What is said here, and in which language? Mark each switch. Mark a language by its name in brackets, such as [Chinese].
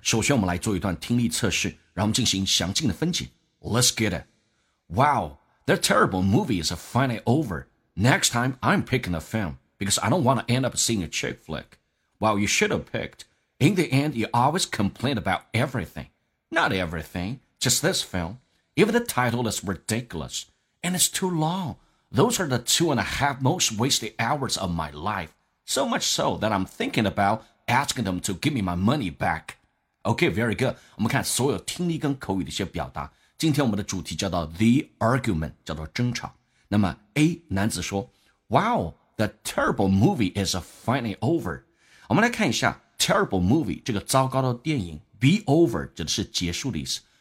[Chinese] 首先我们来做一段听力测试，让我们进行详尽的分解。 [English] Let's get it. Wow, that terrible movie is finally over. Next time I'm picking a film because I don't want to end up seeing a chick flick. Wow, you should have picked. In the end, you always complain about everything. Not everything, just this film. Even the title is ridiculous and it's too long. Those are the 2.5 most wasted hours of my life. So much so that I'm thinking about asking them to give me my money back. Okay, very good. [Chinese] 我们看所有听力跟口语的一些表达。今天我们的主题叫做 [English] The Argument, [Chinese] 叫做争吵。那么 A, 男子说 [English] Wow, the terrible movie is finally over. [Chinese] 我们来看一下 terrible movie, 这个糟糕的电影 be over, 指的是结束的意思。